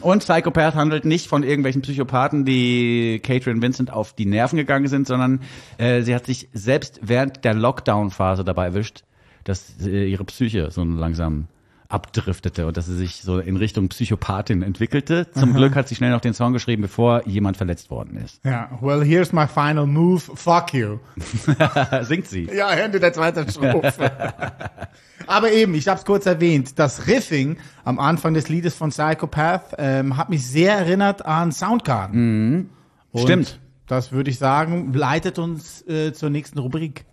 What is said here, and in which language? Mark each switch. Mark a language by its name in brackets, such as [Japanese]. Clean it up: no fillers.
[German] Und Psychopath handelt nicht von irgendwelchen Psychopathen, die Catherine Vincent auf die Nerven gegangen sind, sondern sie hat sich selbst während der Lockdown-Phase dabei erwischt, dass ihre Psyche so langsam abdriftete und dass sie sich so in Richtung Psychopathin entwickelte. Zum Glück hat sie schnell noch den Song geschrieben, bevor jemand verletzt worden ist. Ja, yeah. [English] Well, here's my final move, fuck you. [German] Singt sie. Ja, Ende der zweiten Strophe. Aber eben, ich hab's kurz erwähnt, das Riffing am Anfang des Liedes von Psychopath hat mich sehr erinnert an Soundgarden. Mm-hmm. Stimmt. Das würde ich sagen, leitet uns zur nächsten Rubrik.